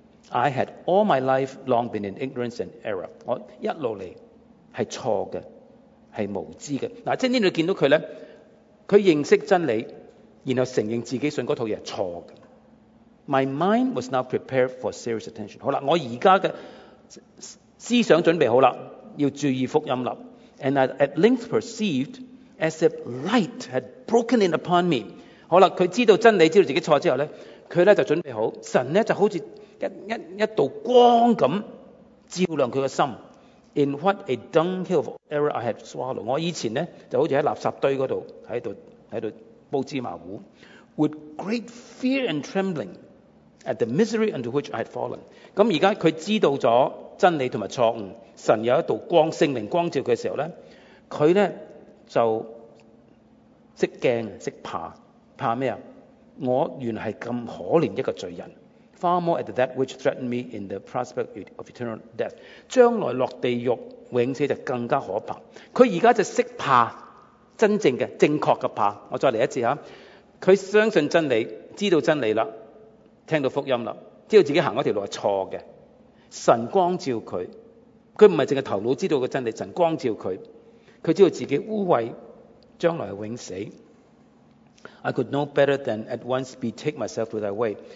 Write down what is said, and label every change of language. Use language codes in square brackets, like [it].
[en] I had all my life long been in ignorance and error. [yue] 我一路嚟係錯嘅，係無知嘅。嗱，即係呢度見到佢咧，佢認識真理，然後承認自己信嗰套嘢係錯嘅。 [en] My mind was now prepared for serious attention. [yue] 好啦，我而家嘅思想準備好啦，要注意福音啦。 [en] And I at length perceived as if light had broken in upon me. [yue] 好啦，佢知道真理，知道自己錯之後咧，佢咧就準備好，神咧就好似一道光咁照亮佢嘅心。 [en] In what a dunghill of error I had swallowed. [yue] 我以前咧就好似喺垃圾堆嗰度喺度煲芝麻糊。 [en] With great fear and trembling at the misery into which I had fallen. [yue] 咁而家佢知道咗真理同埋錯誤，神有一道光，聖靈光照佢嘅時候咧，佢咧就識驚識怕，怕咩啊？我原係咁可憐一個罪人。 [en] Far more at that which threatened me in the prospect of eternal death. [yue] 將來落地獄永死就更加可怕。佢而家就識怕，真正嘅正確嘅怕。我再嚟一次嚇，佢相信真理，知道真理啦，聽到福音啦，知道自己行嗰條路係錯嘅。神光照佢，佢唔係淨係頭腦知道個真理，神光照佢，佢知道自己污穢，將來永死。 [en] I could no better than at once betake myself to thy way.